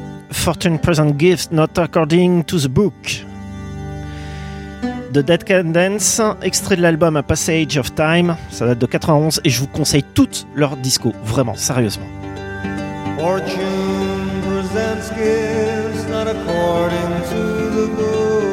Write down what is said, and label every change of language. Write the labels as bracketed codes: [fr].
[en] Fortune present gifts not according to the book. [fr] The Dead Can Dance, extrait de l'album A Passage of Time, ça date de 91 et je vous conseille toutes leurs discos, vraiment, sérieusement. [en] Fortune presents gifts not according to the book.